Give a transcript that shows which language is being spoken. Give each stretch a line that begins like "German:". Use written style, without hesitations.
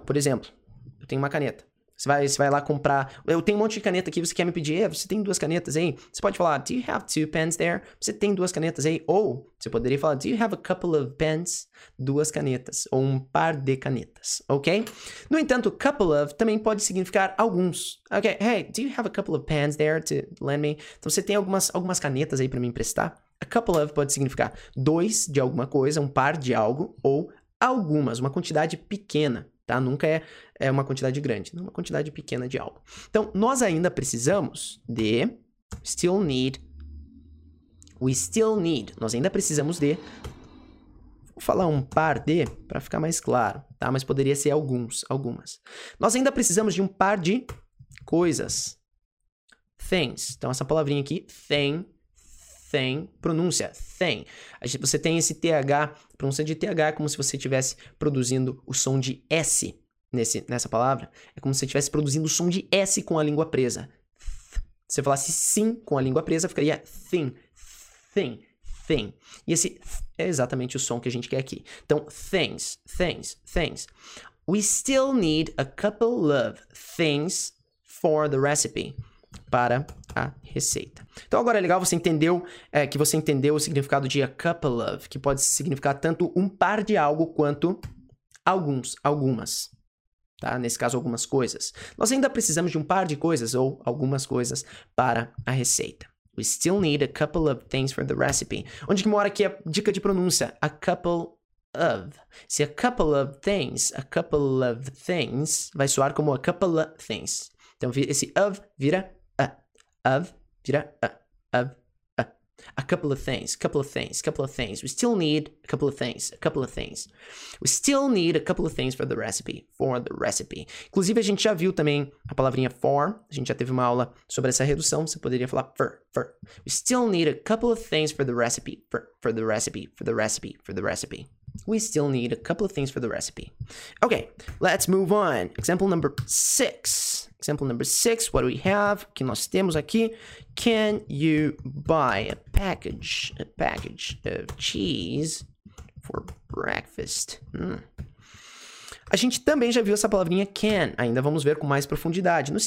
Portuguese: Por exemplo, eu tenho uma caneta. Você vai lá comprar. Eu tenho um monte de caneta aqui, você quer me pedir? Você tem duas canetas aí? Você pode falar,
English: do you have two pens there?
Portuguese: Você tem duas canetas aí? Ou você poderia falar,
English: do you have a couple of pens?
Portuguese: Duas canetas. Ou um par de canetas, ok? No entanto, couple of também pode significar alguns.
English: Ok, hey, do you have a couple of pens there to lend me?
Portuguese: Então você tem algumas canetas aí pra me emprestar? A couple of pode significar dois de alguma coisa, um par de algo, ou algumas, uma quantidade pequena, tá? Nunca é uma quantidade grande, uma quantidade pequena de algo. Então, nós ainda precisamos de,
English: still need, we still need,
Portuguese: nós ainda precisamos de, vou falar um par de, para ficar mais claro, tá? Mas poderia ser algumas. Nós ainda precisamos de um par de coisas, things. Então, essa palavrinha aqui, thing, thing, pronúncia, thing. Você tem esse TH, pronúncia de TH é como se você estivesse produzindo o som de S nessa palavra. É como se você estivesse produzindo o som de S com a língua presa. Se você falasse sim com a língua presa, ficaria
English: thing, thing, thing.
Portuguese: E esse é exatamente o som que a gente quer aqui. Então, things, things, things.
English: We still need a couple of things for the recipe.
Portuguese: Para a receita. Então agora é legal, você entendeu o significado de a couple of, que pode significar tanto um par de algo quanto alguns, algumas, tá? Nesse caso, algumas coisas. Nós ainda precisamos de um par de coisas ou algumas coisas para a receita.
English: We still need a couple of things for the recipe.
Portuguese: Onde que mora aqui a dica de pronúncia?
English: A couple of. Se a couple of things, a couple of things,
Portuguese: vai soar como
English: a couple of things.
Portuguese: Então esse of vira of, vira
English: a couple of things, couple of things, couple of things. We still need a couple of things, a couple of things. We still need a couple of things for the recipe, for the recipe.
Portuguese: Inclusive, a gente já viu também a palavrinha for, a gente já teve uma aula sobre essa redução, você poderia falar for, for.
English: We still need a couple of things for the recipe, for the recipe, for the recipe, for the recipe. We still need a couple of things for the recipe. Okay, let's move on. Example number six. Example number six, what do we have?
Portuguese: Que nós temos aqui?
English: Can you buy a package of cheese for breakfast?
Portuguese: A gente também já viu essa palavrinha can. Ainda vamos ver com mais profundidade.